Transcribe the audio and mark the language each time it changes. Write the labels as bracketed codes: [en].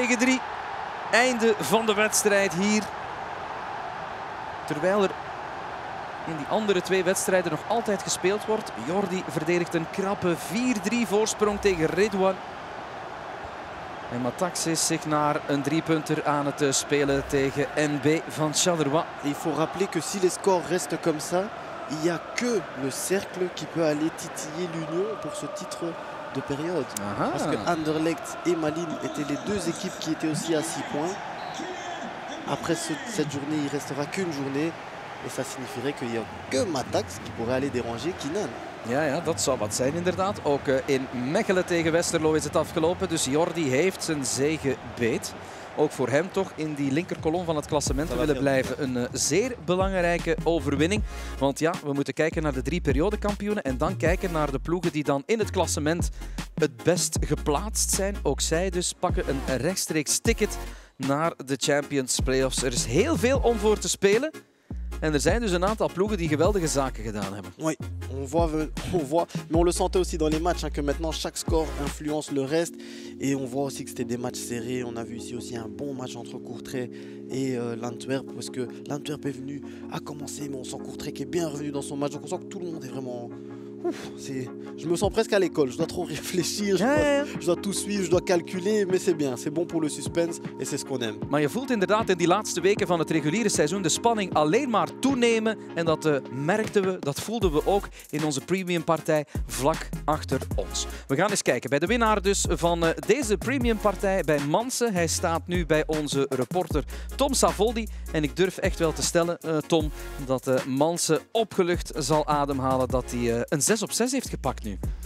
[nl] 6-3. Einde van de wedstrijd hier. Terwijl er in die andere twee wedstrijden nog altijd gespeeld wordt. Jordi verdedigt een krappe 4-3 voorsprong tegen Redouane. En Matax is zich naar een driepunter aan het spelen tegen NB van Charleroi. [fr] Il faut rappeler que si les scores restent comme ça, il n'y a que le cercle qui peut aller titiller l'Union pour ce titre de période. Aha. Parce que Anderlecht et Malines étaient les deux équipes qui étaient aussi à 6 points. Après cette journée, il ne restera qu'une journée. Et ça signifierait qu'il n'y a que Matax qui pourrait aller déranger Kinnan. [nl] Ja, ja, dat zou wat zijn inderdaad. Ook in Mechelen tegen Westerlo is het afgelopen. Dus Jordi heeft zijn zegen beet. Ook voor hem toch in die linkerkolom van het klassement willen blijven. Een zeer belangrijke overwinning. Want ja, we moeten kijken naar de drie periodekampioenen. En dan kijken naar de ploegen die dan in het klassement het best geplaatst zijn. Ook zij dus pakken een rechtstreeks ticket naar de Champions Playoffs. Er is heel veel om voor te spelen. En er zijn dus een aantal ploegen die geweldige zaken gedaan hebben. [fr] Oui, on voit, mais on le sentait aussi dans les matchs, hein, que maintenant chaque score influence le reste. Et on voit aussi que c'était des matchs serrés. On a vu ici aussi un bon match entre Courtrai et l'Antwerp, parce que l'Antwerp est venu à commencer, mais on sent Courtrai qui est bien revenu dans son match. Donc on sent que tout le monde est vraiment... Je me sens presque à l'école, je dois trop réfléchir, je dois tout suivre, je dois calculer, mais c'est bien, c'est bon pour le suspense et c'est ce qu'on aime. [nl] Maar je voelt inderdaad in die laatste weken van het reguliere seizoen de spanning alleen maar toenemen en dat merkten we, dat voelden we ook in onze premiumpartij vlak achter ons. We gaan eens kijken bij de winnaar dus van deze premiumpartij bij Mansen. Hij staat nu bij onze reporter Tom Savoldi en ik durf echt wel te stellen, Tom, dat Mansen opgelucht zal ademhalen dat hij een 6 op 6 heeft gepakt nu.